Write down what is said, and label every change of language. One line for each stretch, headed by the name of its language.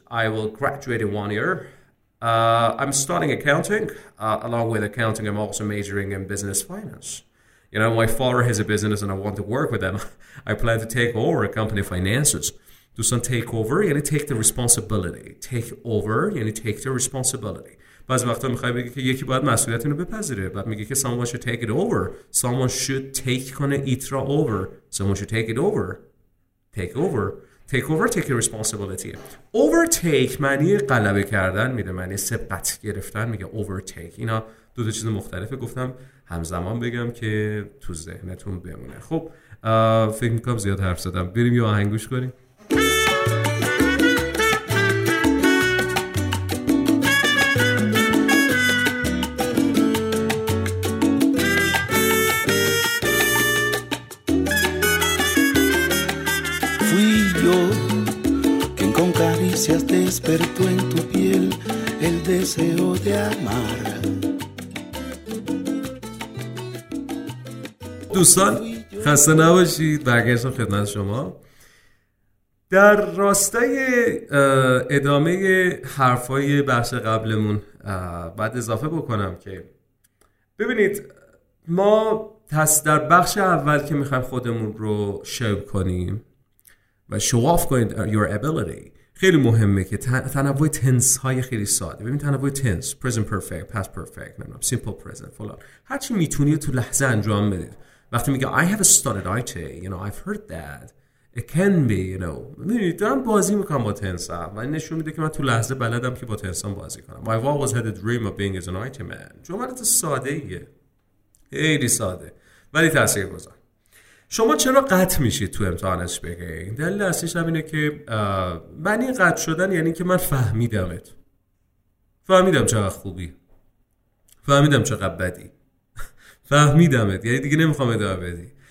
English: I will graduate in 1 year. I'm studying accounting. Along with accounting, I'm also majoring in business finance. You know, my father has a business and I want to work with him. I plan to take over a company finances. Do some take over,
Persian: یعنی
English: take the responsibility. Take over,
Persian: یعنی
English: take the responsibility.
Persian: بعض وقتا میخوایی بگی که یکی باید مسئولیتین رو بپذیره. بعد میگی که
English: someone should take it over. Someone should take
Persian: کنه
English: it
Persian: را
English: over. Someone should take it over. Take over. Take over, take responsibility.
Persian: Overtake معنی غلبه کردن میده. معنی سبقت گرفتن میگه overtake. اینا دو تا چیز مختلفه، گفتم همزمان بگم که تو ذهنتون بمونه. خب فکر میکنم زیاد حرف زدم، بریم یه آهنگ گوش کنیم.
Spanish: Fui yo quien con caricias despertó en tu piel el deseo de amar.
Persian: دوستان خسته نباشید، برگشتم خدمت شما. در راستای ادامه حرفای بخش قبلمون بعد اضافه بکنم که ببینید، ما در بخش اول که میخوایم خودمون رو شو کنیم و شو آف کنید
English: your ability،
Persian: خیلی مهمه که تنوع تنس های خیلی ساده، ببین تنوع تنس، present perfect، past perfect، نمیدونم simple present، فلان، هر چی میتونید تو لحظه انجام بدید. وقتی میگه
English: I have studied IT, you know, I've heard that it can be, you know.
Persian: دارم بازی میکنم با تنسم و نشون میده که من تو لحظه بلدم که با تنسم بازی کنم.
English: I've always had a dream of being as an IT man.
Persian: جملات ساده ایه، خیلی ساده ولی تاثیر گذار. شما چرا قطع میشید تو امتحان اسپیکینگ؟ دلیل اصلیش هم اینه که معنی قطع شدن یعنی که من فهمیدمت، فهمیدم چقدر خوبی، فهمیدم چقدر بدی، فهمیدمت، یعنی دیگه نمیخوام ادامه بدی.